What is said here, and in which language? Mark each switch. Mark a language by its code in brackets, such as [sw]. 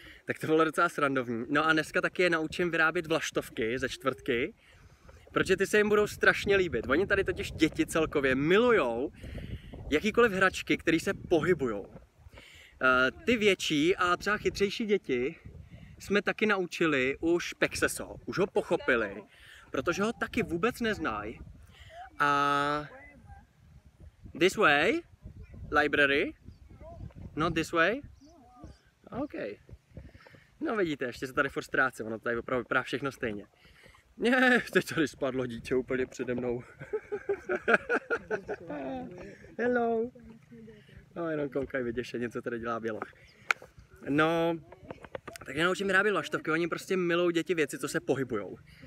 [cs] Tak to bylo docela srandovní. No a dneska taky je naučím vyrábět vlaštovky ze čtvrtky, protože ty se jim budou strašně líbit. Oni tady totiž děti celkově milujou jakýkoliv hračky, které se pohybujou. Ty větší a třeba chytřejší děti jsme taky naučili už Pexeso, už ho pochopili. Protože ho taky vůbec neznají. [en] A this way, library, not this way, ok. [cs] No vidíte, ještě se tady furt ztrácí, ono tady vypadá všechno stejně. Ne, teď tady spadlo dítě úplně přede mnou. Hello. No jenom koukaj, vidíš, že něco tady dělá běloch. No, tak jenom učím vyrábět vlaštovky, oni prostě milou děti věci, co se pohybujou.